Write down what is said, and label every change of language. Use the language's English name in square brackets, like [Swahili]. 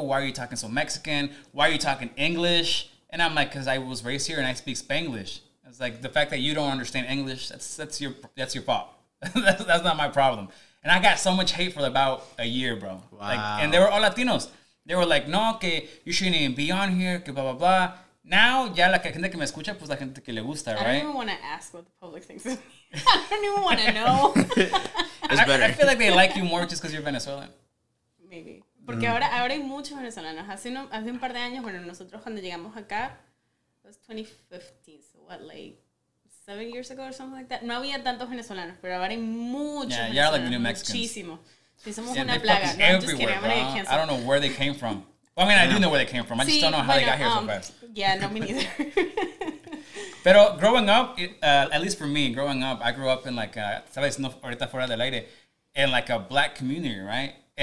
[English] Why are you talking so Mexican? Why are you talking English? And I'm like, because I was raised here and I speak Spanglish. It's like the fact that you don't understand English, that's your fault. that's not my problem. And I got so much hate for about a year, bro. Wow. Like, and they were all Latinos. They were like, no, que you shouldn't even be on here, que blah, blah, blah. [Spanish] Now, ya la gente que me escucha, pues la gente que le gusta, right? [English] I don't even want to ask what the public thinks of me. I don't even want to know. It's better. I feel like they like you more just because you're Venezuelan. [Spanish] Maybe. Porque ahora hay muchos venezolanos. Hace un par de años, bueno, nosotros cuando llegamos acá, [English] it was 2015, so what, like 7 years ago or something like that? [Spanish] No había tantos venezolanos, pero ahora hay muchos venezolanos. [English] Yeah, you're like the new [Spanish] Mexicans. Muchísimo. Sí, somos una plaga. No, [English] everywhere, I'm just kidding. I'm gonna get canceled. I don't know where they came from. Well, I mean, I do know where they came from. I just don't know how they got here so fast. Yeah, no, me neither. [Spanish] Pero [English] growing up, at least for me, growing up, I grew up in like, [Spanish] sabes, no ahorita fuera del aire, [English] in like a black community, right?